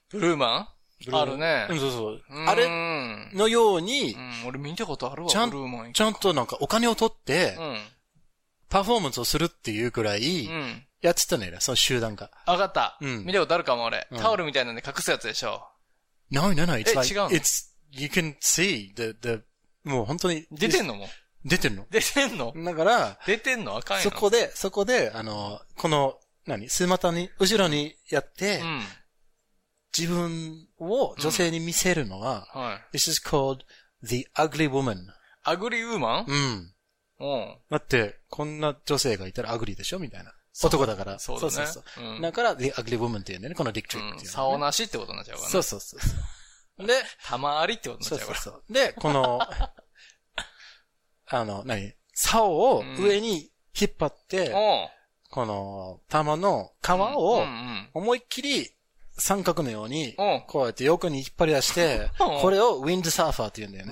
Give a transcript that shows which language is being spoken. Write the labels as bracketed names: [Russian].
[Japanese] ブルーマン？あるね。うん、そうそう。あれのように、俺見たことあるわ、ブルーマン。ちゃんとなんかお金を取って、パフォーマンスをするっていうくらい、やってたのよね、その集団が。わかった。見たことあるかも、俺。タオルみたいなんで隠すやつでしょ。 [English] No, no, no. It's like, it's, you can see the, [Japanese] もう本当に。出てんのも出てんの？出てんの？だから、出てんの？赤いの？そこで、この、何？すまたに、後ろにやって、自分を女性に見せるのは、はい。 [English] This is called the ugly woman. Ugly woman? [Japanese] だって、こんな女性がいたら ugly でしょ？みたいな。男だから。そうだね。そうそうそう。だから、 [English] the ugly woman [Japanese] って言うんだよね。このディックトリックっていうの、ね。竿なしってことになっちゃうからね。そうそうそう。で、たまありってことになっちゃうから。そうそうそう。で、この、何竿を上に引っ張って、この玉の皮を思いっきり三角のようにこうやって横に引っ張り出して、これをウィンドサーファーって言うんだよね。